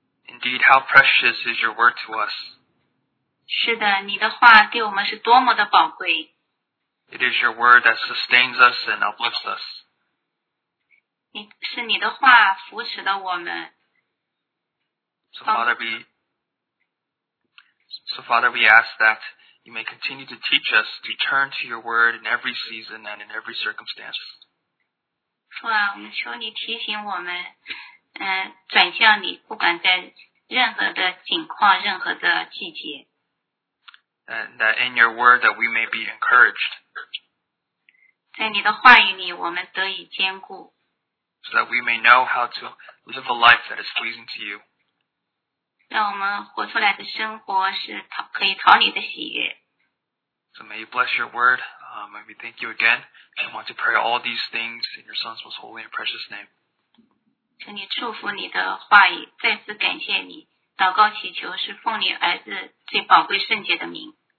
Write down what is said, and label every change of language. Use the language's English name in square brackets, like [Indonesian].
[English] Indeed, how precious is your word to us. [Chinese] 是的，你的话对我们是多么的宝贵。 [English] It is your word that sustains us and uplifts us. [Chinese] 是你的话扶持了我们。 [English] So Father, we ask that you may continue to teach us to turn to your word in every season and in every circumstance. [Chinese] 父啊，我们求你提醒我们。转向你，不管在任何的境况，任何的季节。 [English] That in your word that we may be encouraged. [Chinese] 在你的话语里，我们得以坚固。 [English] So that we may know how to live a life that is pleasing to you. [Chinese] 让我们活出来的生活是可以讨你的喜悦。 [English] So may you bless your word. May we thank you again. I want to pray all these things in your son's most holy and precious name. [Chinese] 请你祝福你的话语，再次感谢你，祷告祈求是奉你儿子最宝贵圣洁的名。